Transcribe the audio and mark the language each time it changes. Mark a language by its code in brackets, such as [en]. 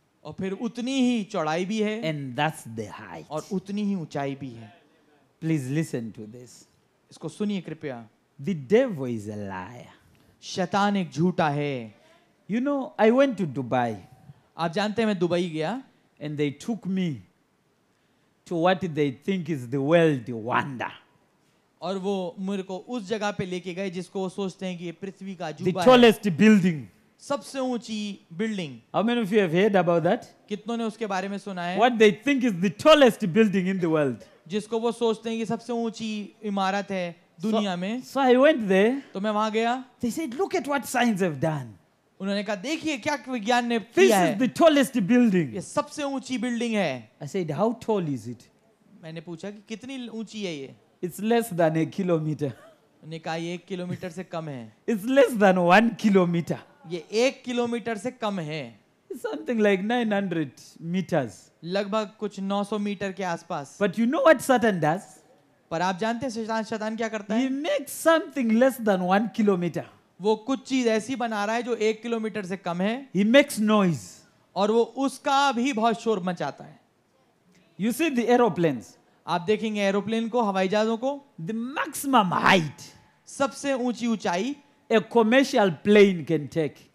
[hi] और फिर उतनी ही चौड़ाई भी है. [en] And that's the height. [hi] और उतनी ही ऊंचाई भी है. [en] Please listen to this. [hi] इसको सुनिए कृपया. [en] The devil is a liar. [hi] शैतान एक झूठा है. [en] You know, I went to Dubai. [hi] आप जानते हैं मैं दुबई गया. [en] And they took me to what they think is the world wonder. [hi] और वो मेरे को उस जगह पे लेके गए जिसको वो सोचते हैं कि ये पृथ्वी का अजूबा [en] है. The tallest building. [hi] सबसे ऊंची building. [en] How many of you have heard about that? [hi] कितनों ने उसके बारे में सुना है? [en] What they think is the tallest building in the world. [hi] जिसको वो सोचते हैं कि सबसे ऊंची इमारत है दुनिया में. [en] So I went there. [hi] तो मैं वहां गया. [en] They said, Look at what science have done. [hi] उन्होंने कहा देखिए क्या विज्ञान ने किया है. [en] This is the tallest building. [hi] ये सबसे ऊंची बिल्डिंग है. [en] I said, How tall is it? [hi] मैंने पूछा कि कितनी ऊंची है ये. [en] It's less than a kilometer. [hi] उन्होंने कहा ये एक किलोमीटर से कम है. [en] It's less than one kilometer. [hi] ये एक किलोमीटर से कम है. [en] It's something like 900 meters. [hi] लगभग कुछ 900 मीटर के आसपास. [en] But you know what Satan does? [hi] पर आप जानते हैं शैतान क्या करता है? [en] He makes something less than one kilometer. [hi] वो कुछ चीज ऐसी बना रहा है जो एक किलोमीटर से कम है. [en] He makes noise. [hi] और वो उसका भी बहुत शोर मचाता है. [en] You see the aeroplanes. [hi] आप देखेंगे एरोप्लेन को, हवाई जहाजों को. [en] The maximum height. [hi] सबसे ऊंची ऊंचाई. [en] A commercial plane can take.